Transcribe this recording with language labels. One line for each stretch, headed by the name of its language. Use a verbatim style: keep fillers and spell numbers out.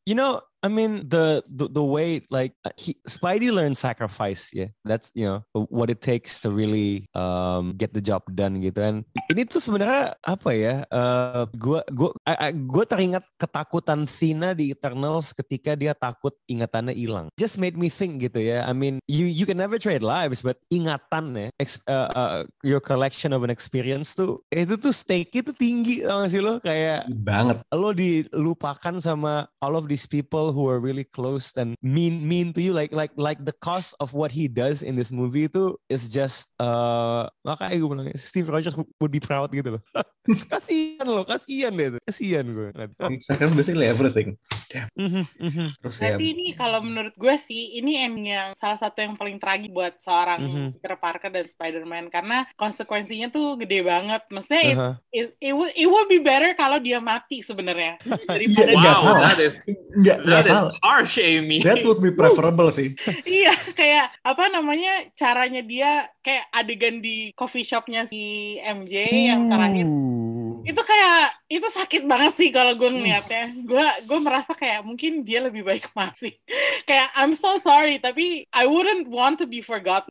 English: You know, I mean the the, the way like he, Spidey learned sacrifice, yeah. That's you know what it takes to really um, get the job done
Indonesian: gitu. And ini tuh sebenarnya apa ya? Uh, gua gua I, I, gua teringat ketakutan Sina di Eternals ketika dia takut ingatannya hilang.
English: Just made me think gitu ya. I mean you you can never trade lives, but ingatannya, ex, uh, uh, your collection of an experience
Indonesian: tuh itu tuh stake itu tinggi nggak sih lo kayak banget.
English: Lo dilupakan sama all of these people who are really close and mean mean to you, like like like the cost of what he does in this movie itu is just uh,
Indonesian: makanya gue bilang
English: Steve Rogers would be proud gitu loh.
Indonesian: Kasian loh, kasian deh, kasian gue.
English: Instagram basically everything. Damn. Mm-hmm, mm-hmm.
Indonesian: Terus tapi ya, ini kalau menurut gue sih ini ending yang salah satu yang paling tragis buat seorang mm-hmm. Peter Parker dan Spider-Man karena konsekuensinya tuh gede banget. Maksudnya uh-huh.
English: it, it, it, would, it would be better
Indonesian: kalau dia mati sebenarnya. Daripada yeah, wow, salah.
English: that is
Indonesian: nggak
English: that is harsh, Amy. That would be preferable sih.
Indonesian: Iya, kayak apa namanya caranya dia kayak adegan di coffee shopnya si M J hmm. yang terakhir. Itu kayak itu sakit banget sih kalau gue ngeliatnya. Gue gue merasa kayak mungkin dia lebih baik mati.
English: Kayak I'm so sorry
Indonesian: tapi
English: I wouldn't want to be forgotten.